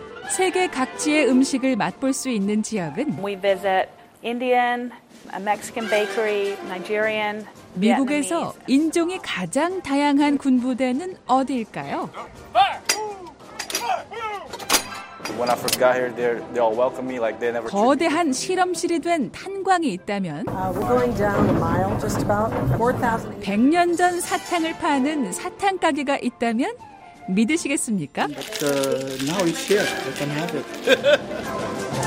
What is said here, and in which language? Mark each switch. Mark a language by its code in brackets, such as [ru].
[ko] 세계 각지의 음식을 맛볼 수 있는 지역은 [en] We visit Indian, a Mexican bakery, Nigerian. [ko] 미국에서 인종이 가장 다양한 군부대는 어디일까요? [en] When I first got here, they all welcomed me like they never. [ko] 거대한 실험실이 된 탄광이 있다면. [en] We're going down a mile, just about 4,000. [ko] 100년 전 사탕을 파는 사탕 가게가 있다면 믿으시겠습니까? [en] But now it's here. I can have it.